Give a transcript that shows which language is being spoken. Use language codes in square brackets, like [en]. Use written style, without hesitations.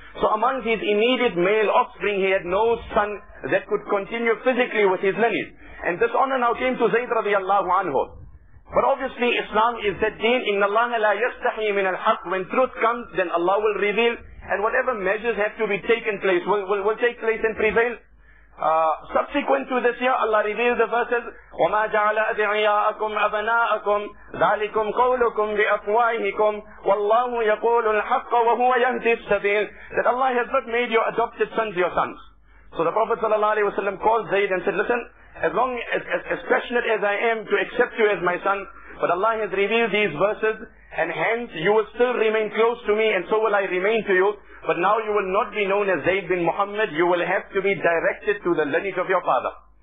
[en] So among his immediate male offspring, he had no son that could continue physically with his lineage. And this honor now came to Zayd radiallahu anhu. But obviously Islam is that deen, [ar] إِنَّ اللَّهَ لَا يَسْتَحِي مِنَ الْحَقِّ. [en] When truth comes, then Allah will reveal, and whatever measures have to be taken place will take place and prevail. Subsequent to this year, Allah revealed the verses, [ar] وَمَا جَعَلَ أَدْعِيَاءَكُمْ أَبَنَاءَكُمْ ذَلِكُمْ قَوْلُكُمْ بِأَفْوَاهِكُمْ وَاللَّهُ يَقُولُ الْحَقَّ وَهُوَ يَهْدِي السَّبِيلَ. [en] That Allah has not made your adopted sons your sons. So the Prophet sallallahu alayhi wa sallam called Zayd and said, listen, as passionate as I am to accept you as my son, but Allah has revealed these verses, and hence you will still remain close to me and so will I remain to you, but now you will not be known as Zayd bin Muhammad, you will have to be directed to the lineage of your father.